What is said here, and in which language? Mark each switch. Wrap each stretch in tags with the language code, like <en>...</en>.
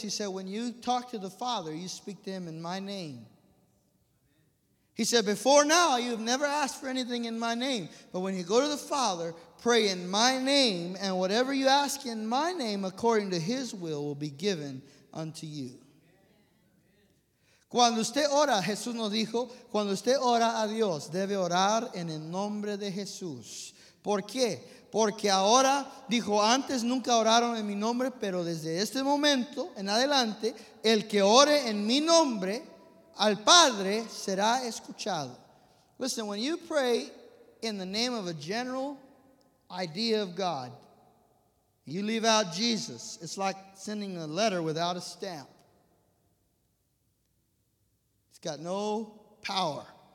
<en>He said, when you talk to the Father, you speak to him in my name. He said, before now, you have never asked for anything in my name. But when you go to the Father, pray in my name, and whatever you ask in my name, according to his will be given unto you.</en> <es>Cuando usted ora, Jesús nos dijo, cuando usted ora a Dios, debe orar en el nombre de Jesús. ¿Por qué? Porque ahora, dijo, antes nunca oraron en mi nombre, pero desde este momento en adelante, el que ore en mi nombre al Padre será escuchado.</es> <en>Listen, when you pray in the name of a general idea of God, you leave out Jesus. It's like sending a letter without a stamp. It's got no power.</en>